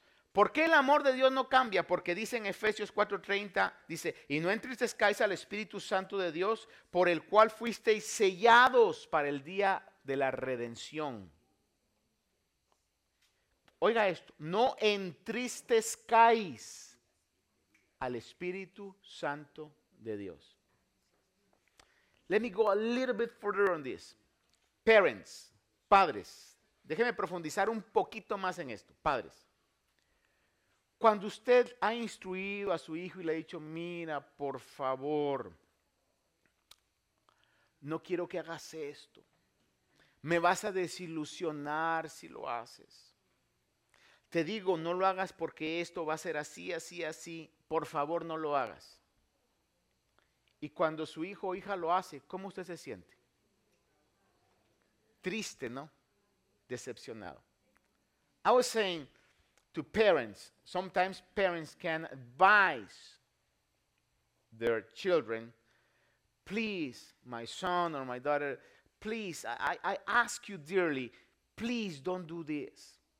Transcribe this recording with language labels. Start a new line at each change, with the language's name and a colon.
Spanish: ¿Por qué el amor de Dios no cambia? Porque dice en Efesios 4:30, dice, y no entristezcáis al Espíritu Santo de Dios, por el cual fuisteis sellados para el día de la redención. Oiga esto, no entristezcáis al Espíritu Santo de Dios.
English: Let me go a little bit further on this.
Spanish: Parents, padres, déjeme profundizar un poquito más en esto. Padres, cuando usted ha instruido a su hijo y le ha dicho, mira, por favor, no quiero que hagas esto. Me vas a desilusionar si lo haces. Te digo, no lo hagas porque esto va a ser así, así, así. Por favor, no lo hagas. Y cuando su hijo o hija lo hace, ¿cómo usted se siente? Triste, ¿no? Decepcionado.
English: I was saying to parents, sometimes parents can advise their children, please, my son or my daughter, please, I ask you dearly, please don't do this.